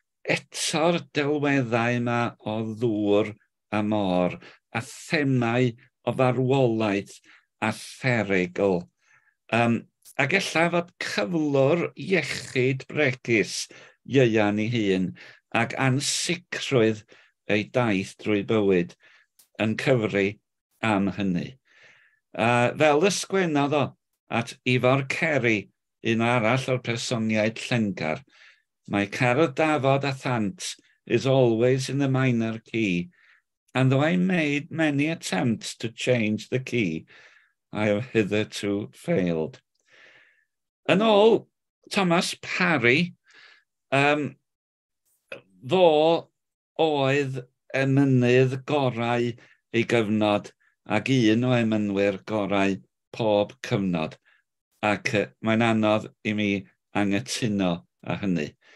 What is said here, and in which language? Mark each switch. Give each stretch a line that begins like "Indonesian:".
Welsh: Eto'r delweddau yma o ddŵr a môr, a themau o farwolaeth a therigl. Ac ella fod cyflwr iechyd bregus Ieuan ei hun, ac ansicrwydd ei daith drwy bywyd yn cyfri am hynny. Fel ysgwennodd o at Ifor Ceri, un arall o'r personiaid Llengar, mae cerdd dafod a thant
English: is always in the minor key, and though I made many attempts to change the key, I have hitherto failed.
Welsh: Yn ôl Thomas Parry, fo oedd emynydd gorau ei gyfnod ac un o emynwyr gorau pob cyfnod, ac mae'n anodd i mi anghytuno â hynny.